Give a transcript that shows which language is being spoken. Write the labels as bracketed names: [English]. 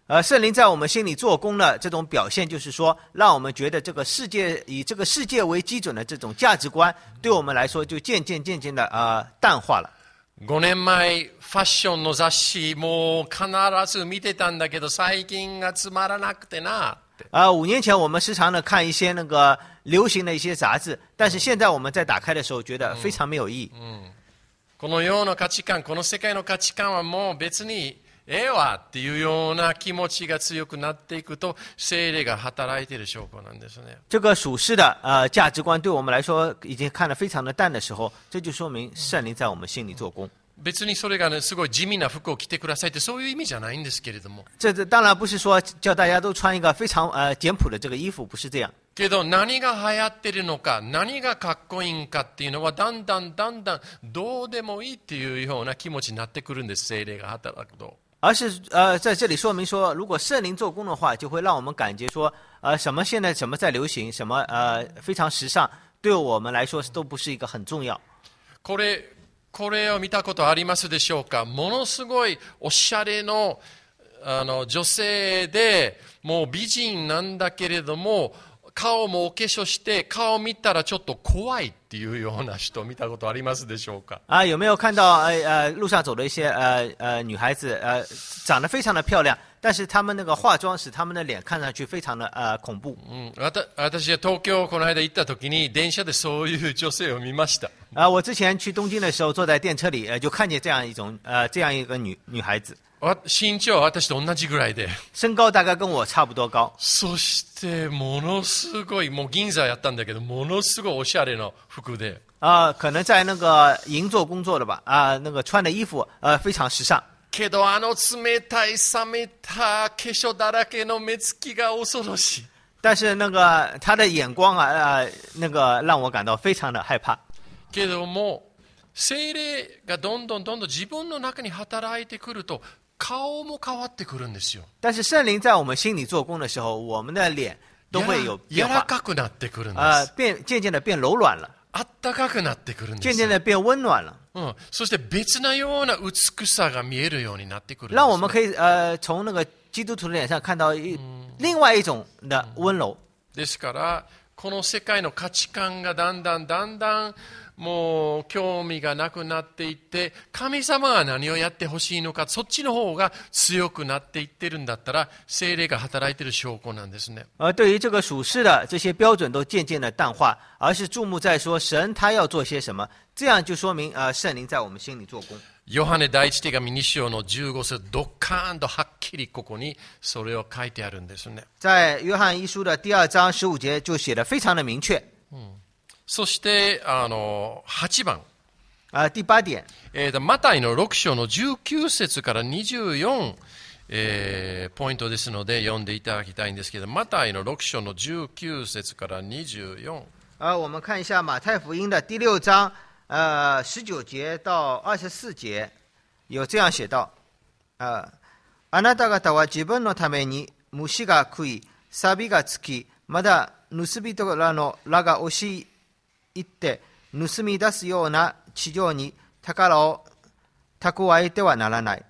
[Chinese] 圣灵在我们心里做工的这种表现，就是说，让我们觉得这个世界以这个世界为基准的这种价值观，对我们来说就渐渐渐渐的淡化了。 [Japanese] 5年前ファッションの雑誌もう必ず見てたんだけど最近がつまらなくてなって。 [Chinese] 5年前我们时常的看一些那个流行的一些杂志，但是现在我们在打开的时候觉得非常没有意义。 [Japanese] この世の価値観、この世界の価値観はもう別にええわっていうような気持ちが強くなっていくと聖霊が働いている証拠なんですね。 [Chinese] 这个属世的价值观对我们来说已经看得非常的淡的时候，这就说明圣灵在我们心里做工。 [Japanese] 別にそれが、ね、すごい地味な服を着てくださいってそういう意味じゃないんですけれども。 [Chinese] 这当然不是说叫大家都穿一个非常简朴的这个衣服，不是这样。 [Japanese] けど何が流行ってるのか、何がかっこいいんかっていうのはだんだんだんだんどうでもいいっていうような気持ちになってくるんです、聖霊が働くと。 [Chinese] 而是在这里说明说，如果圣灵做工的话，就会让我们感觉说，什么现在什么在流行，什么非常时尚，对我们来说都不是一个很重要。 [Japanese] これを見たことありますでしょうか。ものすごいおしゃれ の女性で、もう美人なんだけれども、顔もお化粧して、顔見たらちょっと怖いっていうような人見たことありますでしょうか。 [Chinese] 啊，有没有看到路上走的一些女孩子长得非常的漂亮，但是她们那个化妆使她们的脸看上去非常的恐怖。 [Japanese] 私は東京この間行った時に電車でそういう女性を見ました。 [Chinese] 我之前去东京的时候坐在电车里就看见这样一个女孩子。 [Japanese] 身長は私と同じぐらいで。 [Chinese] 身高大概跟我差不多高。 [Japanese] そしてものすごいもう銀座やったんだけどものすごいおしゃれの服で。 [Chinese] 可能在那个银座工作的吧。那个穿的衣服非常时尚。 [Japanese] けどあの冷たい冷めた化粧だらけの目つきが恐ろしい。 [Chinese] 但是那个他的眼光那个让我感到非常的害怕。 [Japanese] けども聖霊がどんどんどんどん自分の中に働いてくると顔も変わってくるんですよ。 [Chinese] 但是圣灵在我们心里做工的时候，我们的脸都会有变化。 [Japanese] 柔らかくなってくるんです。 [Chinese] 渐渐的变柔软了。 [Japanese] あったかくなってくるんです。 [Chinese] 渐渐的变温暖了。 [Japanese] 嗯，そして別なような美しさが見えるようになってくるんです。 [Chinese] 让我们可以从那个基督徒的脸上看到另外一种的温柔。 [Japanese] ですからこの世界の価値観がだんだんだんだん。もう興味がなくなっていって神様が何をやってほしいのかそっちの方が強くなっていってるんだったら聖霊が働いている証拠なんですね。 [Chinese] 对于这个属世的这些标准都渐渐的淡化，而是注目在说神他要做些什么，这样就说明圣灵在我们心里做工。 [Japanese] ヨハネ第一手紙2章の15節、どっかーんとはっきりここにそれを書いてあるんですね。 [Chinese] 在ヨハネ一书的第二章十五节就写得非常的明确。 [Japanese] そして8番 [Chinese] 第八点、 [Japanese] マタイの6章の19節から24、ポイントですので読んでいただきたいんですけど、マタイの6章の19節から24、 [Chinese] 我们看一下马太福音的第六章19节到24节有这样写到 [Japanese] あなた方は自分のために虫が食い、サビがつき、まだ盗人らの羅が押し行って盗み出すような地上に宝を蓄えてはならない。